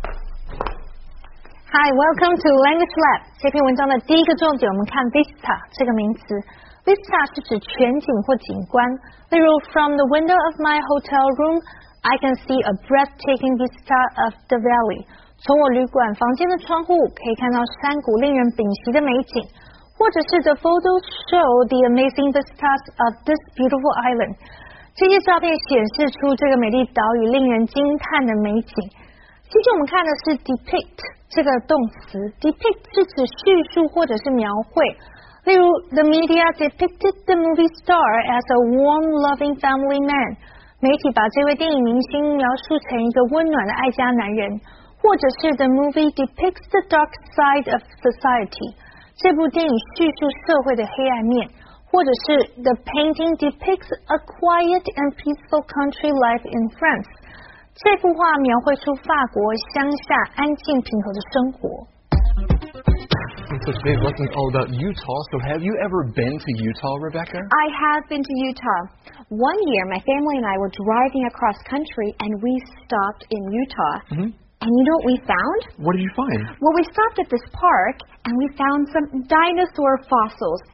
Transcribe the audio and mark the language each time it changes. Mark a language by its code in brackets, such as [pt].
[en] Hi, welcome to Language Lab. [zh] 这篇文章的第一个重点，我们看 vista 这个名词。 Vista 是指全景或景观。 [en] 例如 ，From the window of my hotel room, I can see a breathtaking vista of the valley. [zh] 从我旅馆房间的窗户，可以看到山谷令人屏息的美景。 [en] 或者是 The photos show the amazing vistas of this beautiful island. [zh] 这些照片显示出这个美丽岛屿令人惊叹的美景。接着我们看的是 depict 这个动词 ，depict 是指叙述或者是描绘。 [en] 例如 ，The media depicted the movie star as a warm, loving family man。 [zh] 媒体把这位电影明星描述成一个温暖的爱家男人。 [en] 或者是 ，The movie depicts the dark side of society。 [zh] 这部电影叙述社会的黑暗面。 [en] 或者是 ，The painting depicts a quiet and peaceful country life in France。 [zh] 这幅画描绘出法国乡下安静平和的生活。 [en] So today's lesson is all about Utah. So have you ever been to Utah, Rebecca? I have been to Utah. One year, my family and I were driving across country, and we stopped in Utah. Mm-hmm. And you know what we found? What did you find? Well, we stopped at this park, and we found some dinosaur fossils.